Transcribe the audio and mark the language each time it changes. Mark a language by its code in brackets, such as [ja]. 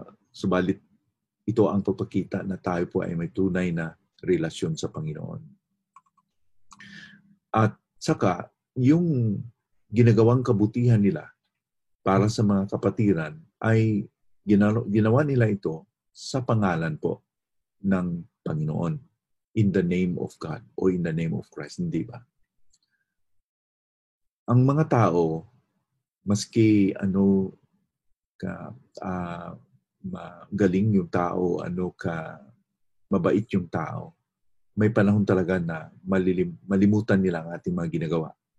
[tl] Subalit, ito ang pagpakita na tayo po ay may tunay na relasyon sa Panginoon. At saka, yung ginagawang kabutihan nila para sa mga kapatiran ay ginawa nila ito sa pangalan po ng Panginoon. [en] In the name of God or in the name of Christ, [tl] hindi ba? Ang mga tao, maski ano ka magaling yung tao, ano ka mabait yung tao, may panahon talaga na malimutan nila ang ating mga ginagawa.